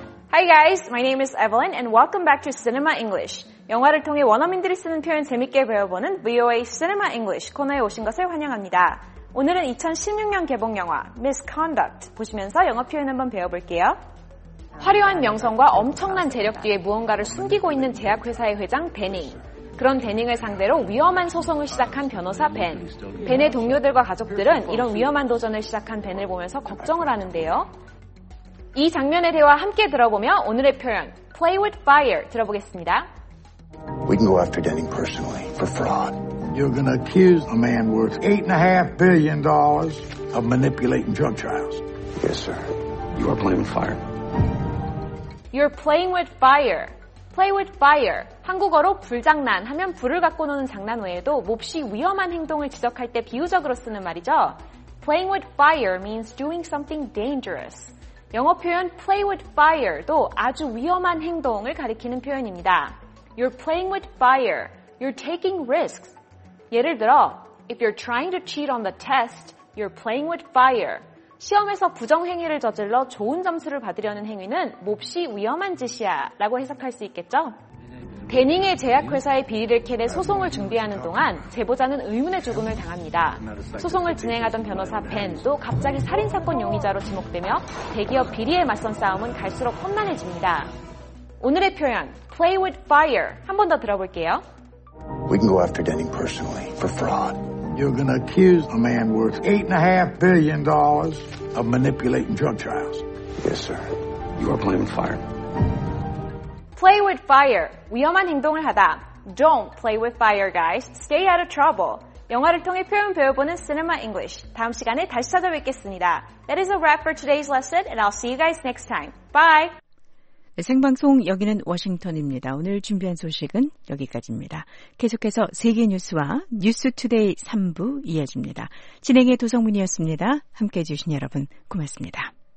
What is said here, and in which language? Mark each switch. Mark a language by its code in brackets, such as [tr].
[ko] 하이 [en] guys, my name is Evelyn and welcome back to Cinema English. [ko] 영화를 통해 원어민들이 쓰는 표현 재밌게 배워보는 VOA Cinema English 코너에 오신 것을 환영합니다. 오늘은 2016년 개봉 영화 [en] Misconduct [ko] 보시면서 영어 표현 한번 배워볼게요. 화려한 명성과 엄청난 재력 뒤에 무언가를 숨기고 있는 제약회사의 회장 베닝. 그런 베닝을 상대로 위험한 소송을 시작한 변호사 벤. 벤의 동료들과 가족들은 이런 위험한 도전을 시작한 벤을 보면서 걱정을 하는데요. 이 장면의 대화 함께 들어보며 오늘의 표현 [en] Play with fire [ko] 들어보겠습니다. [en] We can go after Denning personally for fraud. You're going to accuse a man worth $8.5 billion of manipulating drug trials. Yes, sir. You are playing with fire. You're playing with fire. Play with fire. [ko] 한국어로 불장난 하면 불을 갖고 노는 장난 외에도 몹시 위험한 행동을 지적할 때 비유적으로 쓰는 말이죠. [en] Playing with fire means doing something dangerous. [ko] 영어 표현 [en] play with fire [ko] 도 아주 위험한 행동을 가리키는 표현입니다. [en] You're playing with fire. You're taking risks. [ko] 예를 들어, [en] if you're trying to cheat on the test, you're playing with fire. [ko] 시험에서 부정행위를 저질러 좋은 점수를 받으려는 행위는 몹시 위험한 짓이야 라고 해석할 수 있겠죠? 베닝의 제약회사의 비리를 캐내 소송을 준비하는 동안 제보자는 의문의 죽음을 당합니다. 소송을 진행하던 변호사 벤도 갑자기 살인사건 용의자로 지목되며 대기업 비리에 맞선 싸움은 갈수록 험난해집니다. 오늘의 표현, [en] play with fire, [ko] 한 번 더 들어볼게요. [en] We can go after Denning personally for fraud. You're going to accuse a man worth $8.5 billion of manipulating drug trials. Yes, sir. You are playing with fire. Play with fire. [ko] 위험한 행동을 하다. [en] Don't play with fire, guys. Stay out of trouble. [ko] 영화를 통해 표현 배워보는 [en] Cinema English. [ko] 다음 시간에 다시 찾아뵙겠습니다. [en] That is a wrap for today's lesson, and I'll see you guys next time. Bye. [ko] 생방송 여기는 워싱턴입니다. 오늘 준비한 소식은 여기까지입니다. 계속해서 세계뉴스와 뉴스투데이 3부 이어집니다. 진행의 도성문이었습니다. 함께해 주신 여러분 고맙습니다.